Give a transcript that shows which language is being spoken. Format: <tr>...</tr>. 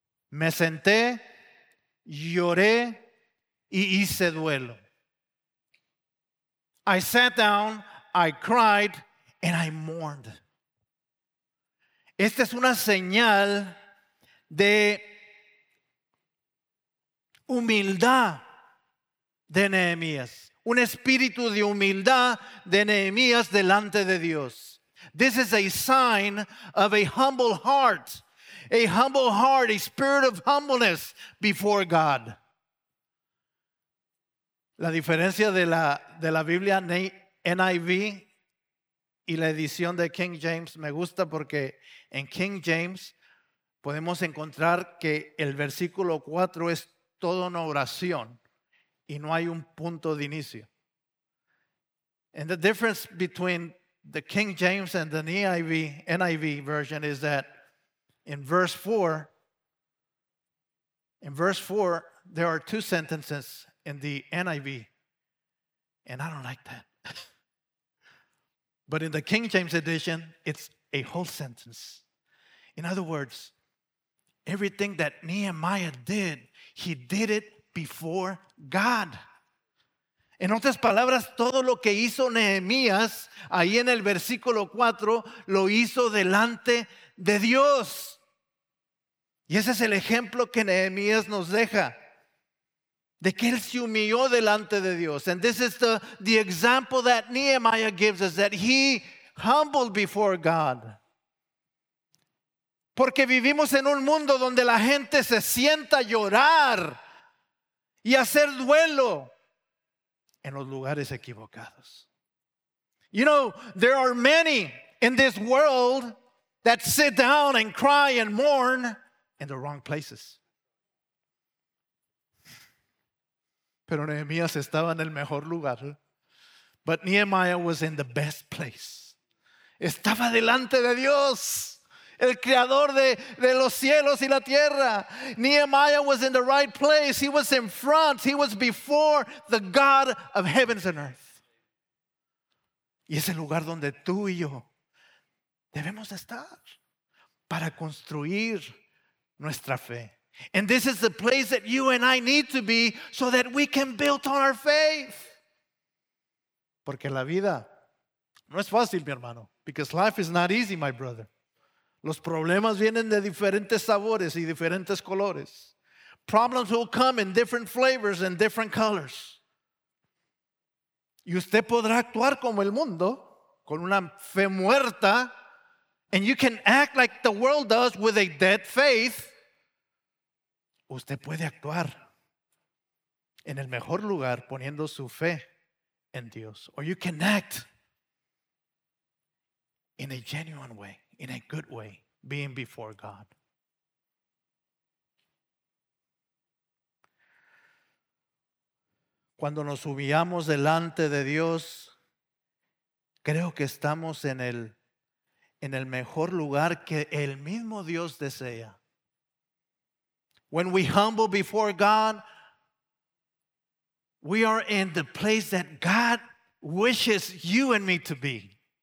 <es>Me senté, lloré, y hice duelo.</es> <en>I sat down, I cried, and I mourned.</en> <es>Esta es una señal de humildad de Nehemías, un espíritu de humildad de Nehemías delante de Dios.</es> <en>This is a sign of a humble heart, a spirit of humbleness before God.</en> <es>La diferencia de la Biblia NIV y la edición de King James me gusta porque en King James podemos encontrar que el versículo 4 es todo una oración y no hay un punto de inicio.</es> <en>And the difference between the King James and the NIV version is that in verse 4 there are two sentences in the NIV, and I don't like that. But in the King James edition, it's a whole sentence. In other words, everything that Nehemiah did, he did it before God.</en> <es>En otras palabras, todo lo que hizo Nehemías ahí en el versículo 4, lo hizo delante de Dios. Y ese es el ejemplo que Nehemías nos deja, de que él se humilló delante de Dios.</es> <en>And this is the example that Nehemiah gives us, that he humbled before God.</en> <es>Porque vivimos en un mundo donde la gente se sienta a llorar y hacer duelo en los lugares equivocados.</es> <en>You know, there are many in this world that sit down and cry and mourn in the wrong places.</en> <es>Pero Nehemías estaba en el mejor lugar.</es> <en>But Nehemiah was in the best place.</en> <es>Estaba delante de Dios, el creador de los cielos y la tierra.</es> <en>Nehemiah was in the right place. He was in front. He was before the God of heavens and earth.</en> <es>Y es el lugar donde tú y yo debemos estar para construir nuestra fe.</es> <en>And this is the place that you and I need to be so that we can build on our faith.</en> <es>Porque la vida no es fácil, mi hermano.</es> <en>Because life is not easy, my brother.</en> <es>Los problemas vienen de diferentes sabores y diferentes colores.</es> <en>Problems will come in different flavors and different colors.</en> <es>Y usted podrá actuar como el mundo, con una fe muerta.</es> <en>And you can act like the world does with a dead faith.</en> <es>Usted puede actuar en el mejor lugar poniendo su fe en Dios.</es> <en>Or you can act in a genuine way, in a good way, being before God.</en> <es>Cuando nos humillamos delante de Dios, creo que estamos en el mejor lugar que el mismo Dios desea.</es> <en>When we humble before God, we are in the place that God wishes you and me to be.</en>